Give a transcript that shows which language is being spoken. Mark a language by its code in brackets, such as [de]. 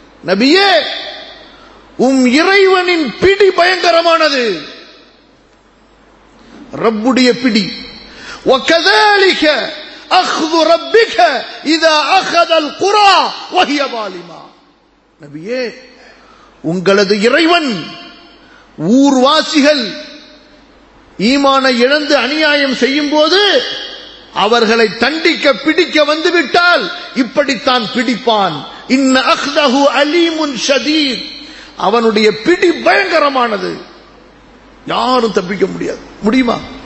[ta] நபியே, உம் இறைவனின் பிடி பயங்கரமானது, ரப்புடைய பிடி. [ar] وكذلك اخذ ربك اذا اخذ القرى وهي ظالمه. [ta] நபியே, உங்களது இறைவன் ஊர்வாசிகள் ஈமானை இழந்து அநியாயம் செய்யும் போது அவர்களை தண்டிக்க பிடிக்க வந்துவிட்டால் இப்படித்தான் பிடிப்பான். [ar] இன்ன அஹ்தஹு அலீமுன் ஷதீத், [ta] அவனுடைய பிடி பயங்கரமானது, யாரும் தப்பிக்க முடியாது. முடியுமா?